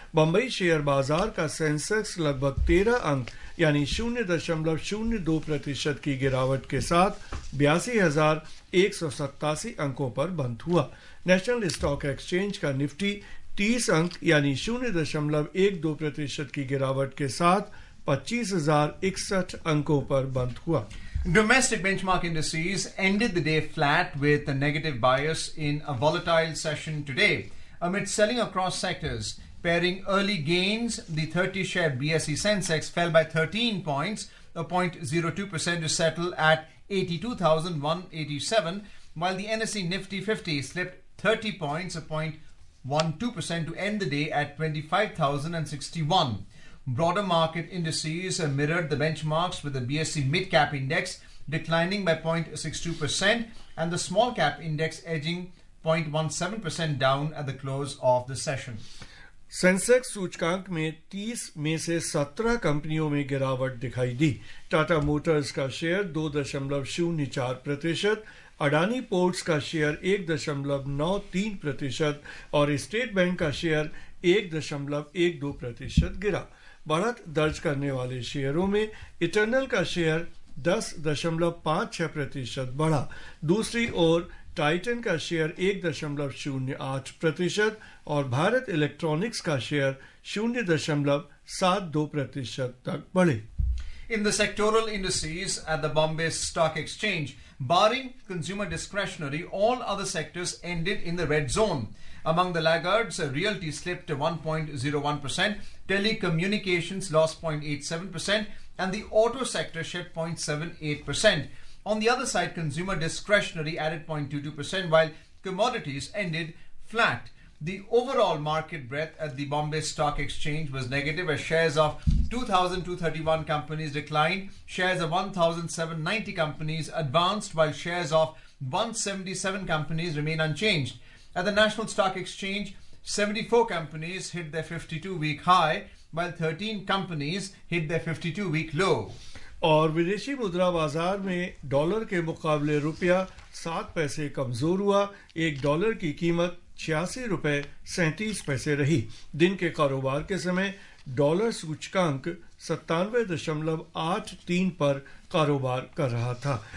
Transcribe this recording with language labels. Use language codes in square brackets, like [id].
[hi] Bombay share बाजार का Sensex लगभग 13 अंक यानी 0.02% की गिरावट के साथ 82,187 अंकों पर बंद हुआ. नेशनल स्टॉक एक्सचेंज का निफ्टी 30 अंक यानी 0.12% की गिरावट के साथ 25,061 अंकों पर बंद हुआ. [en] Domestic benchmark indices ended the day flat with a negative bias in a volatile session today. Amid selling across sectors, pairing early gains, the 30 share BSE Sensex fell by 13 points, 0.02% to settle at 82,187, while the NSE Nifty 50 slipped 30 points, 0.12% to end the day at 25,061. Broader market indices mirrored the benchmarks, with the BSE Mid-Cap Index declining by 0.62% and the Small-Cap Index edging 0.17% down at the close of the session. [hi] Sensex सूचकांक में 30 में से 17 कंपनियों में गिरावट दिखाई दी. Tata Motors का share 2.04%, Adani ports का शेयर 1.93% और स्टेट बैंक का शेयर 1.12% गिरा. बढ़त दर्ज करने वाले शेयरों में इटरनल का शेयर 10.56% बढ़ा. दूसरी ओर टाइटन का शेयर 1.08% और भारत इलेक्ट्रॉनिक्स का शेयर 0.72% तक बढ़े. [en] In the sectoral industries at the Bombay stock exchange, barring consumer discretionary, all other sectors ended in the red zone. Among the laggards, realty slipped 1.01%, telecommunications lost 0.87% and the auto sector shed 0.78%. On the other side, consumer discretionary added 0.22%, while commodities ended flat. The overall market breadth at the Bombay Stock Exchange was negative, as shares of 2,231 companies declined, shares of 1,790 companies advanced, while shares of 177 companies remain unchanged. At the National Stock Exchange, 74 companies hit their 52-week high, while 13 companies hit their 52-week low. [hi] और विदेशी मुद्रा बाजार में dollar के मुकाबले रुपया 7 पैसे कमजोर हुआ. एक डॉलर की कीमत 86.37 रही. दिन के कारोबार के समय डॉलर सूचकांक 97.83 پر کاروبار کر رہا تھا.